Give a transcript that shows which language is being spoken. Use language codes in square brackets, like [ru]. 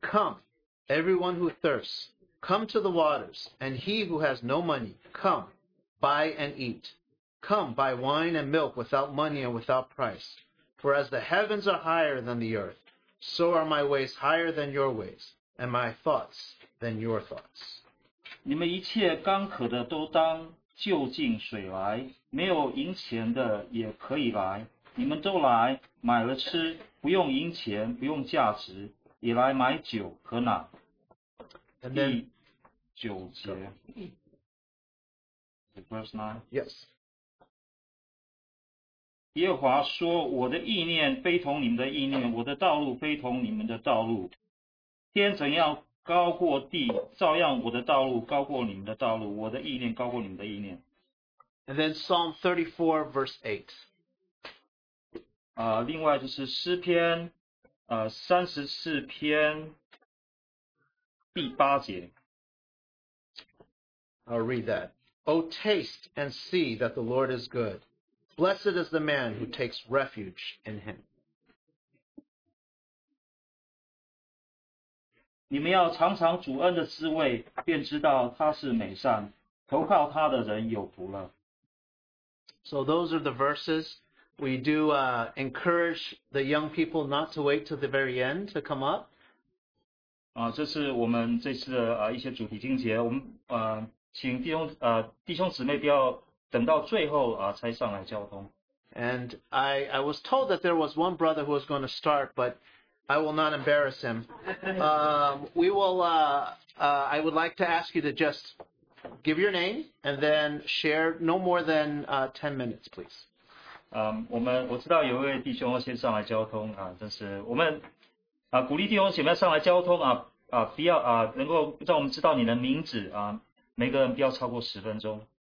[en] Come, everyone who thirsts, come to the waters, and he who has no money, come, buy and eat. Come, buy wine and milk without money and without price. For as the heavens are higher than the earth, so are my ways higher than your ways, and my thoughts than your thoughts. [zh] 你们一切干渴的都当 就近水来, 没有银钱的也可以来, 你们都来, 买了吃, 不用银钱, 不用价值, 也来买酒和哪, 第九节, [en] verse 9, yes. [zh] 耶和华说, 我的意念非同你们的意念, 我的道路非同你们的道路, 天怎样高过地, 照样我的道路高过你们的道路, 我的意念高过你们的意念。 [en] And then Psalm 34, verse 8. [zh] 另外就是诗篇34篇第八节。 [en] I'll read that. O taste and see that the Lord is good. Blessed is the man who takes refuge in him. [zh] 你们要尝尝主恩的滋味，便知道他是美善，投靠他的人有福了。 [en] So those are the verses. We do encourage the young people not to wait till the very end to come up. [zh] 这是我们这次的一些主题经节，我们请弟兄姊妹不要等到最后才上来交通。 [en] And I was told that there was one brother who was going to start, but I will not embarrass him. I would like to ask you to just give your name and then share no more than 10 minutes, please. [zh] 我知道有一位弟兄先上来交通但是我们鼓励弟兄姐妹上来交通不要能够让我们知道你的名字每个人不要超过10分钟。